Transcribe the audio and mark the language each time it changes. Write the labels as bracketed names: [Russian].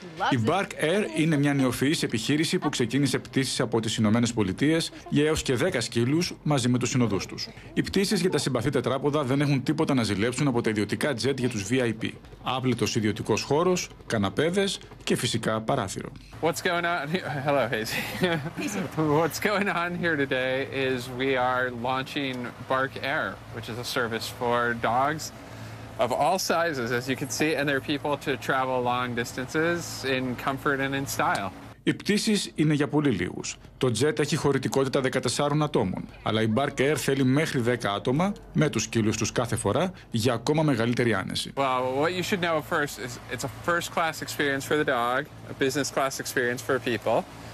[Greek] Η Bark Air είναι μια νεοφυής επιχείρηση που ξεκίνησε πτήσεις από τις Ηνωμένες Πολιτείες για έως και 10 σκύλους μαζί με τους συνοδούς τους. Οι πτήσεις για τα συμπαθή τετράποδα δεν έχουν τίποτα να ζηλέψουν από τα ιδιωτικά jet για τους VIP. Άπλητος ιδιωτικός χώρος, καναπέδες και φυσικά παράθυρο. [English] What's going on? Hello, Hazy. What's going on here today is we are launching Bark Air, which is a service for dogs. Of all sizes, as you can see, and there are people to travel long distances in comfort and in style. [Greek] Οι πτήσεις είναι για πολύ λίγους. Το jet έχει χωρητικότητα 14 ατόμων, αλλά η Bark Air θέλει μέχρι 10 άτομα, με τους σκύλους τους κάθε φορά, για ακόμα μεγαλύτερη άνεση. [English] Well, what you should know first is it's a first-class experience for the dog, a business-class experience for people.